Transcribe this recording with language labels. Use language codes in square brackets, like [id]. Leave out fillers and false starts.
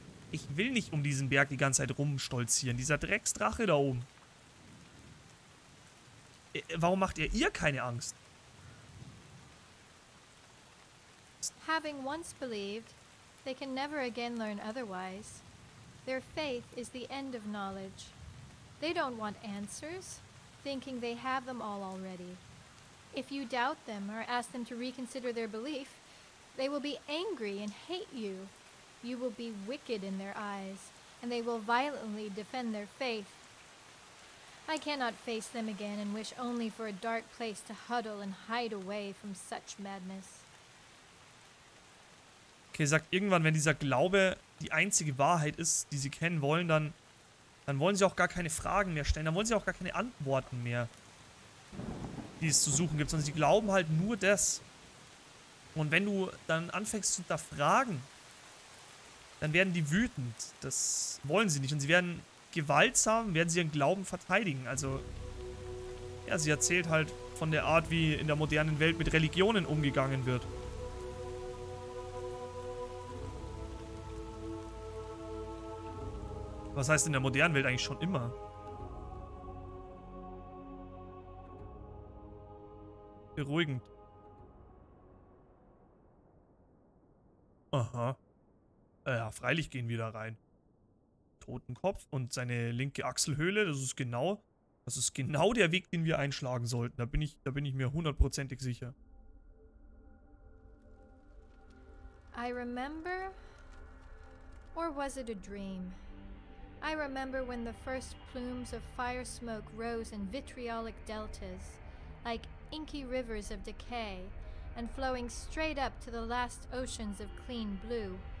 [de] Ich will nicht um diesen Berg die ganze Zeit rumstolzieren. Dieser Drecksdrache da oben. Warum macht er ihr keine Angst? [en] Having once believed, they can never again learn otherwise. Their faith is the end of knowledge. They don't want answers, thinking they have them all already. If you doubt them or ask them to reconsider their belief, they will be angry and hate you. You will be wicked in their eyes, and they will violently defend their faith. I cannot face them again and wish only for a dark place to huddle and hide away from such madness. [de] Okay, sagt irgendwann, wenn dieser Glaube die einzige Wahrheit ist, die sie kennen wollen, dann wollen sie auch gar keine Fragen mehr stellen, dann wollen sie auch gar keine Antworten mehr, die es zu suchen gibt, sondern sie glauben halt nur das. Und wenn du dann anfängst zu hinterfragen, dann werden die wütend. Das wollen sie nicht. Und sie werden gewaltsam, werden sie ihren Glauben verteidigen. Also, ja, sie erzählt halt von der Art, wie in der modernen Welt mit Religionen umgegangen wird. Was heißt in der modernen Welt eigentlich schon immer? Beruhigend. Aha. Ja, freilich gehen wir da rein. Totenkopf und seine linke Achselhöhle, das ist genau der Weg, den wir einschlagen sollten. Da bin ich mir hundertprozentig sicher. [en] I remember, or was it a dream? I remember when the first plumes of fire smoke rose in vitriolic deltas, like inky rivers of decay, and flowing straight up to the last oceans of clean blue.